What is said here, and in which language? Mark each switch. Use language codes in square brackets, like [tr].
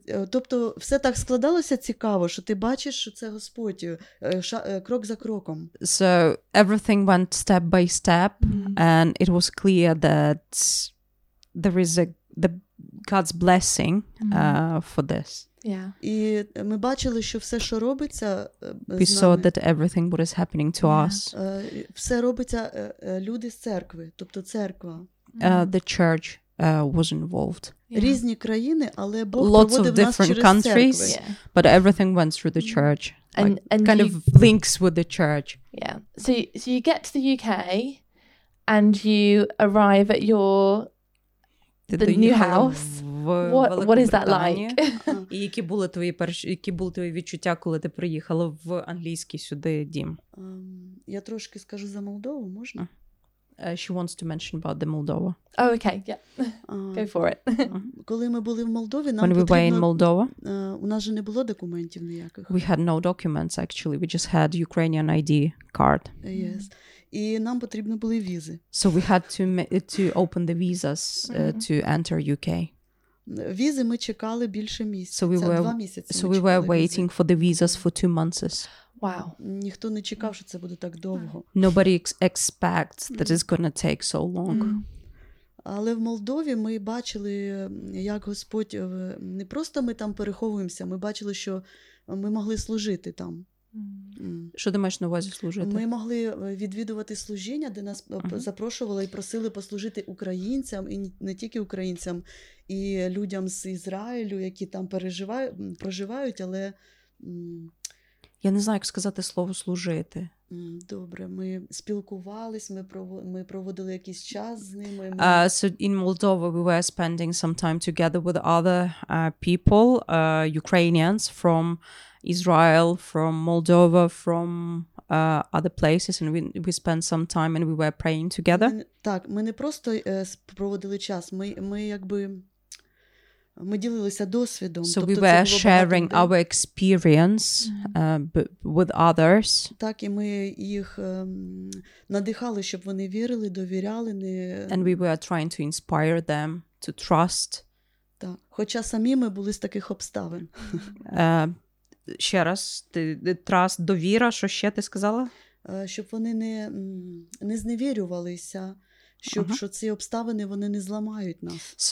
[uk] Тобто все так складалося цікаво, що ти бачиш, що це Господь крок за кроком. [en] So everything went step by step and it was clear that there is a God's blessing for this. [uk] Ми бачили, що все, що робиться, [en] we saw that everything what is happening to us. [uk] Все робиться люди з церкви, тобто церква. [en] The church was involved. [uk] Різні країни, але Бог проводив нас через церкви. [en] Lots of different countries, but everything went through the church. And, like, and kind of links with the church. Yeah. So you get to the UK and you arrive at your the new house. What is that like? [uk] І які були твої перші, які були твої відчуття, коли ти приїхала в англійський сюди дім? Я трошки скажу за Молдову, можна? [en] She wants to mention about the Moldova. Oh, okay, yeah. Go for it. [uk] Коли ми були в Молдові, нам потрібно... [en] When we were in Moldova? [uk] У нас же не було документів ніяких. [en] We had no documents, actually. We just had Ukrainian ID card. Yes. [uk] І нам потрібно були візи. [en] So we had to open the visas to enter UK. [uk] Візи ми чекали більше місяця. [en] So we were waiting for the visas for 2 months. Wow. [uk] Ніхто не чекав, що це буде так довго. [en] Nobody expects that it's going to take so long. [uk] Але в Молдові ми бачили, як Господь, не просто ми там переховуємося, ми бачили, що ми могли служити там. Що ти маєш на увазі служити? Ми могли відвідувати служіння, де нас запрошували і просили послужити українцям, і не тільки українцям, і людям з Ізраїлю, які там переживають, проживають, але... Я не знаю, як сказати слово «служити». Добре, ми спілкувались, ми проводили якийсь час з ними. [en] So in Moldova we were spending some time together with other people, Ukrainians from Israel, from Moldova, from other places, and we spent some time and we were praying together. [uk] Так, ми не просто проводили час, ми якби... Ми ділилися досвідом. So we were sharing our experience with others. Так, і ми їх надихали, щоб вони вірили, довіряли. Не... [en] And we were trying to inspire them to trust. [uk] Так, хоча самі ми були з таких обставин. Ще раз, trust, довіра, що ще ти сказала? Щоб вони не зневірювалися, щоб що ці обставини вони не зламають нас.